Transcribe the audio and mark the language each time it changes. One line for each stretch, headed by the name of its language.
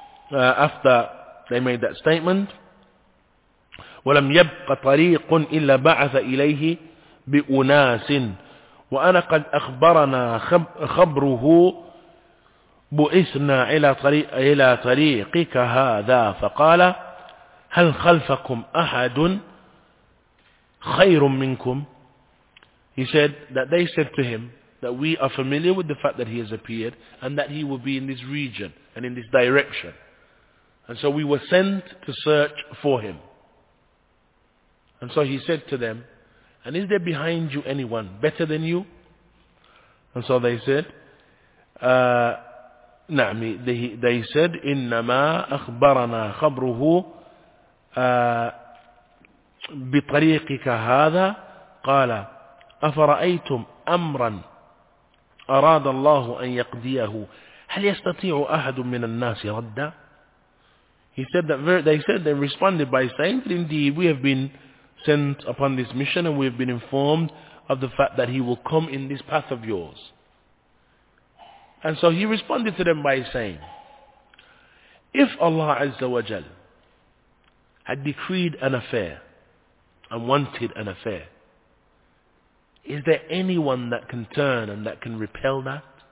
English: And so he said to them, after they made that statement,
Arabic: وَلَمْ يَبْقَ طَرِيقٌ إِلَّا بَعَثَ إِلَيْهِ بِأُنَاسٍ وَأَنَا قَدْ أَخْبَرَنَا خَبْرُهُ بُعِثْنَا إِلَى طَرِيقِكَ هَذَا فَقَالَ هَلْ خَلْفَكُمْ أَحَدٌ خَيْرٌ مِنْكُمْ.
English: He said that they said to him, that we are familiar with the fact that he has appeared and that he will be in this region and in this direction. And so we were sent to search for him. And so he said to them, and is there behind you anyone better than you? And so they said,
Arabic: نعم,
English: they said,
Arabic: إِنَّمَا أَخْبَرَنَا خَبْرُهُ بِطَرِيقِكَ هَذَا قَالَ أَفَرَأَيْتُمْ أَمْرًا أَرَادَ اللَّهُ أَنْ يَقْدِيَهُ هَلْ يَسْتَطِيعُ أَحَدٌ مِّنَ النَّاسِ رَدَّا.
English: He said that, they said, they responded by saying, indeed, we have been sent upon this mission and we have been informed of the fact that he will come in this path of yours. And so he responded to them by saying, if Allah Azza wa Jal had decreed an affair and wanted an affair, is there anyone that can turn and that can repel that?